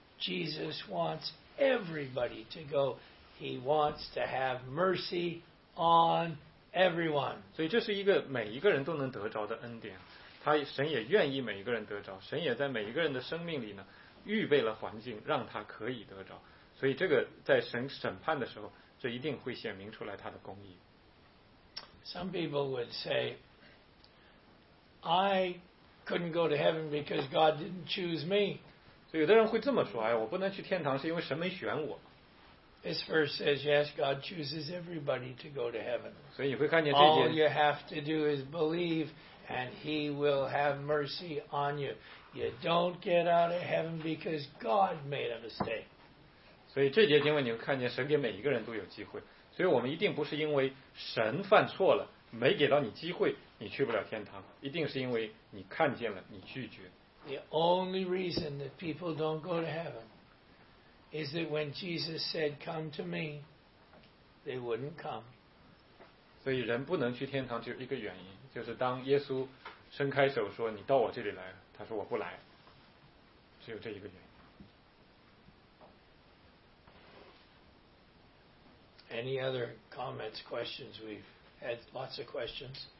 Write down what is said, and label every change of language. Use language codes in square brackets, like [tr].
[en] Jesus wants everybody to go. He wants to have mercy on everyone. [zh] 所以这是一个每一个人都能得着的恩典。他神也愿意每一个人得着，神也在每一个人的生命里呢预备了环境让他可以得着，所以这个在神审判的时候这一定会显明出来他的公义。 [en] Some people would say I couldn't go to heaven because God didn't choose me. [zh] 所以有的人会这么说，哎，我不能去天堂是因为神没选我。 [en] This verse says yes, God chooses everybody to go to heaven. [zh] 所以你会看见这节 [en] All you have to do is believe and He will have mercy on you. You don't get out of heaven because God made a mistake. [zh] 所以这节经文你会看见神给每一个人都有机会，所以我们一定不是因为神犯错了没给到你机会你去不了天堂，一定是因为你看见了你拒绝。 [en] The only reason that people don't go to heaven is that when Jesus said come to me they wouldn't come. [zh] 所以人不能去天堂只有一个原因，就是当耶稣伸开手说你到我这里来，他说我不来，只有这一个原因。 [en] Any other comments, questions? We've had lots of questions.